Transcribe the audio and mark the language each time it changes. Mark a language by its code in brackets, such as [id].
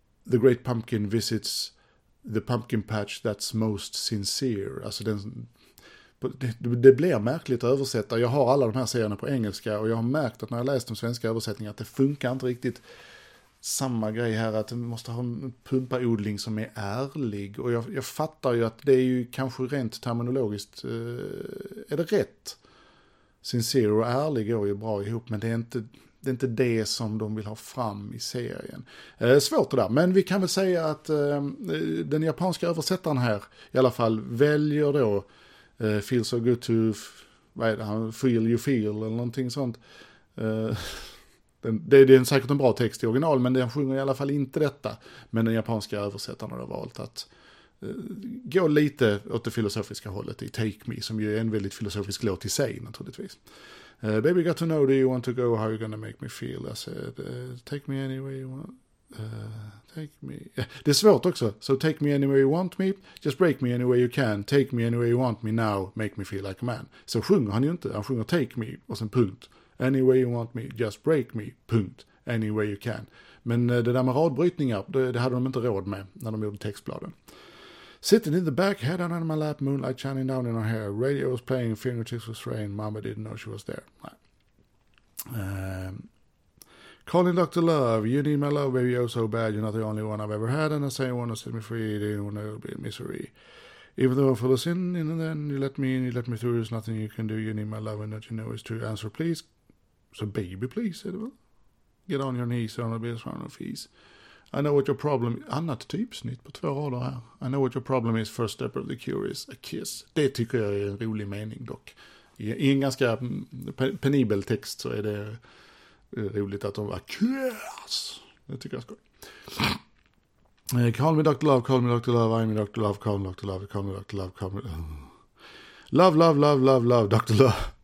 [en] The Great Pumpkin visits the pumpkin patch that's most sincere. [sv] Alltså det blir märkligt att översätta. Jag har alla de här serierna på engelska. Och jag har märkt att när jag läst de svenska översättningarna att det funkar inte riktigt. Samma grej här, att man måste ha en pumpaodling som är ärlig. Och jag fattar ju att det är ju kanske rent terminologiskt. Är det rätt? Sincere och ärlig går ju bra ihop, men det är inte det som de vill ha fram i serien. Svårt det där, men vi kan väl säga att den japanska översättaren här i alla fall väljer då [en] feel so good to feel you feel [sv] eller någonting sånt. Det är säkert en bra text i original, men den sjunger i alla fall inte detta. Men den japanska översättaren har valt att gå lite åt det filosofiska hållet i Take Me, som ju är en väldigt filosofisk låt i sig naturligtvis. [en] Baby got to know, do you want to go, how are you gonna make me feel, I said take me anywhere you want, take me, yeah. [sv] Det är svårt också, [en] so take me anywhere you want me, just break me anywhere you can, take me anywhere you want me now, make me feel like a man. [sv] Så sjunger han ju inte, han sjunger take me och sen punkt, [en] anywhere you want me, just break me, [sv] punkt, [en] anywhere you can. [sv] Men det där med radbrytningar, det hade de inte råd med när de gjorde textbladen. [en] Sitting in the back, head on my lap, moonlight shining down in her hair. Radio was playing, fingertips was raining, mama didn't know she was there. Nah. Calling Dr. Love, you need my love, baby, you're so bad, you're not the only one I've ever had, and the same one that set me free, the only one that'll be in misery. Even though I'm full of sin, and then you let me in, you let me through, there's nothing you can do, you need my love, and that you know is true. Answer, please. So, baby, please, said well. Get on your knees, there'll be a swan of peace. I know what your problem is. [sv] Annat typsnitt på två rader här. [en] I know what your problem is. First step of the cure is a kiss. [sv] Det tycker jag är en rolig mening dock. I en ganska penibel text så är det roligt att de var kiss. Det tycker jag är skoj. [en] Call me Dr. Love, call me Dr. Love, I'm Dr. Love, call me Dr. Love, call me Dr. Love, call me... Love, love, love, love, love, Dr. Love.